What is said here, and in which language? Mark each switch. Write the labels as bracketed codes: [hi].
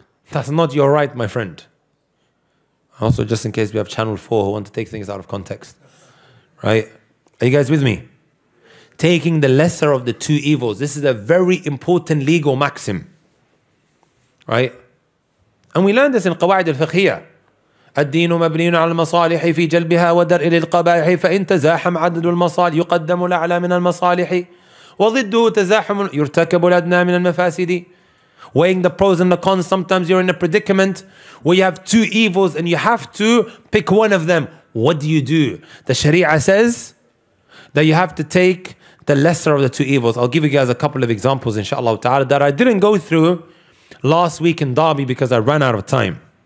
[en] That's not your right, my friend. Also, just in case we have Channel 4 who want to take things out of context. Right? Are you guys with me? taking the lesser of the two evils. This is a very important legal maxim. Right? And we learned this in Qawaid al-Fiqhiyya. [ar] الدين مبني على المصالح في جلبها ودرء للقبائح فإن تزاحم عدد المصالح يقدم الأعلى من المصالح وضده تزاحم يرتكب الأدنى من المفاسد. [en] Weighing the pros and the cons, sometimes you're in a predicament where you have two evils and you have to pick one of them. What do you do? The Sharia says that you have to take the lesser of the two evils. I'll give you guys a couple of examples, inshallah ta'ala, that I didn't go through last week in Dhabi because I ran out of time.